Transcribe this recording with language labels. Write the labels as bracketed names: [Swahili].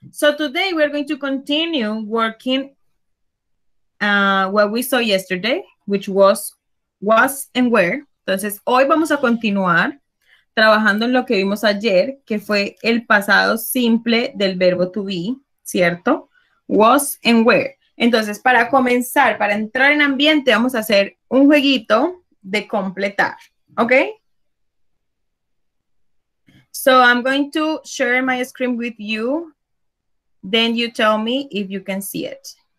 [English] So today we are going to continue working what we saw yesterday, which was and where. [Spanish] Entonces, hoy vamos a continuar trabajando en lo que vimos ayer, que fue el pasado simple del verbo to be, ¿cierto? [English] Was and where. [Spanish] Entonces, para comenzar, para entrar en ambiente, vamos a hacer un jueguito de completar, ¿okay? [English] So I'm going to share my screen with you. Then you tell me if you can see it.